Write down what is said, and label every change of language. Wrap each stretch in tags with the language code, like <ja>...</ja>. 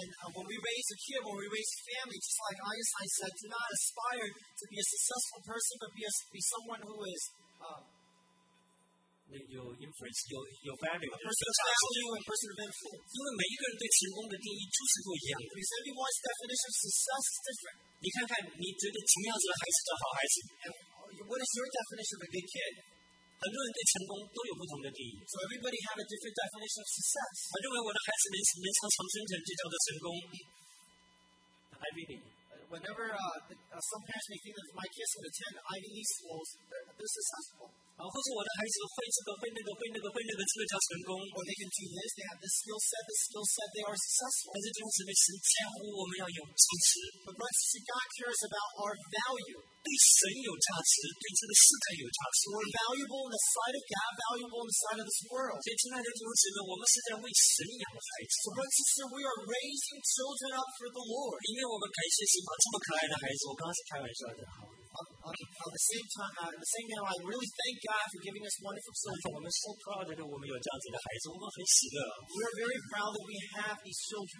<en>And when we raise a kid, when we raise a family, just like Einstein said, do not aspire to be a successful person, but be someone who is.</en> <zh>有 influence， 有 value，有价值，因为每一个人对成功的定义就是不一样。</zh> <en>Because everyone's definition of success is different.</en> <zh>你看看，你觉得怎样子的孩子叫好孩子？</zh> <en>What is your definition of a good kid？</en> <zh>很多人对成功都有不同的定义。</zh> <en>So everybody has a different definition of success.</en> <zh>我认为我的孩子能长生存就叫做成功。</zh> <en>I believe. Whenever some parents may think that my kids would attend Ivy League schools, they're successful.</en> <zh>或者我的孩子会这个，会那个，会那个，会那个，这个叫成功。</zh> <en>Or they can do this, they have this skill set, this skill set, they are successful.</en> <zh>但是同时呢，神在乎我们要有价值。</zh> <en>But brothers, God cares about our value.</en> <zh>对神有价值，对这个世界有价值。</zh> <en>We're valuable in the sight of God, valuable in the sight of this world.</en> <zh>所以亲爱的同时呢，我们是在为神养孩子。</zh> <en>So brothers, we are raising children up for the Lord.</en> <zh>因为我们感谢神把这么可爱的孩子，我刚刚是开玩笑的。</zh> <en>At the same time, I really thank God for giving us wonderful children. We are so proud that we have such good children. We are very happy. We are very proud that we have these children.</en>